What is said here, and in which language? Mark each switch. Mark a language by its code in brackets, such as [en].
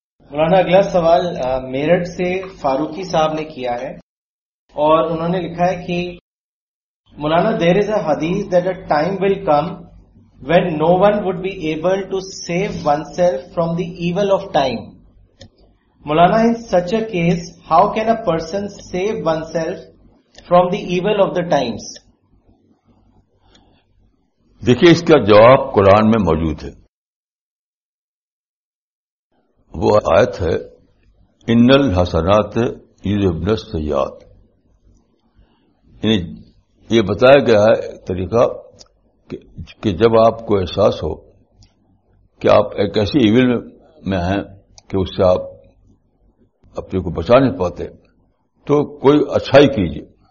[ur] مولانا اگلا سوال میرٹھ سے فاروقی صاحب نے کیا ہے، اور انہوں نے لکھا ہے کہ [en] Maulana there is a hadith that a time will come when no one would be able to save oneself from the evil of time. Maulana in such a case how can a person save oneself from the evil of the times? [ur] دیکھیے اس کا جواب قرآن میں موجود ہے. وہ آیت ہے [ar] ان الحسنات یذہبن السیئات. [ur] یہ بتایا گیا ہے طریقہ کہ جب آپ کو احساس ہو کہ آپ ایک ایسی ایول میں ہیں کہ اس سے آپ اپنے کو بچا نہیں پاتے تو کوئی اچھائی کیجیے.